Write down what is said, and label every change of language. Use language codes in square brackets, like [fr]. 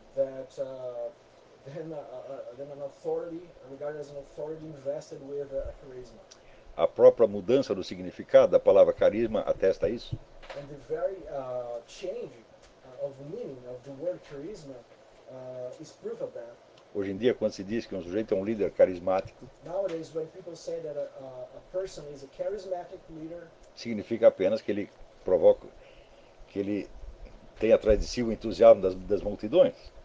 [en] That then an authority regarded as an authority invested with a charisma. [pt] A própria mudança do significado da palavra carisma atesta isso. [en] And the very change of meaning of the word charisma is proof of that. [pt] Hoje em dia, quando se diz que um sujeito é um líder carismático, [en] nowadays, when people say that a person is a charismatic leader, [pt] significa apenas que ele provoca, que ele tem atrás de si o entusiasmo das multidões.